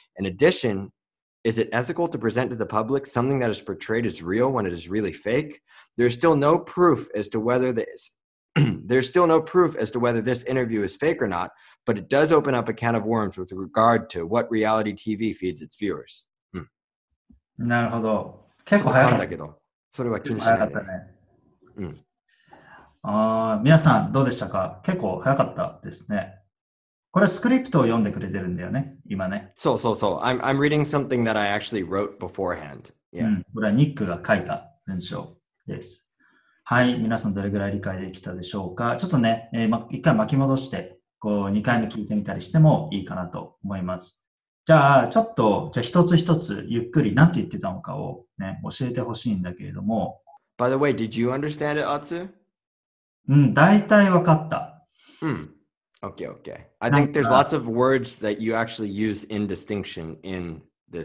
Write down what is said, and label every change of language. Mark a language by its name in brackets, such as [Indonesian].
[English] In addition,Is it ethical to present to the public something that is portrayed as real when it is really fake? There's still no proof as to whether this interview is fake or not, but it does open up a can of worms with regard to what reality TV feeds its viewers.、 [Japanese] なるほど。結構早かったけど、それは気にしない、ね。早かったね。皆さんどうでしたか？結構早かったですね。これスクリプトを読んでくれてるんだよね、今ね。そうそうそう。 [English] I'm reading something that I actually wrote beforehand. Yeah. [Japanese] これはニックが書いた文章です。はい、皆さんどれぐらい理解できたでしょうか。ちょっとね、一回巻き戻して、こう、二回目聞いてみたりしてもいいかなと思います。じゃあ、ちょっと、一つ一つゆっくり何て言ってたのかをね、教えてほしいんだけれども。 [English] By the way, did you understand it, Atsu? [Japanese] だいたいわかった。 [English] Okay, okay. I think there's lots of words that you actually use in distinction in this.